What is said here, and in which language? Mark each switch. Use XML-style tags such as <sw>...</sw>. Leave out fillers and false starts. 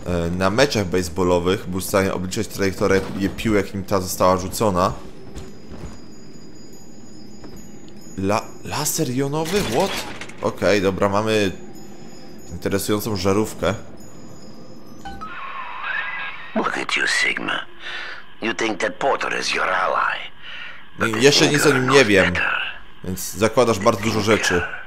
<pl>na meczach baseballowych był w stanie obliczać trajektorię piłek, nim ta została rzucona. Laser jonowy? What? Okej, dobra, mamy interesującą żarówkę.</pl> <en>Look at you, Sigma. You think that Porter is your ally?</en> <pl>But jeszcze nic o nim nie wiem, więc zakładasz bardzo dużo rzeczy.</pl>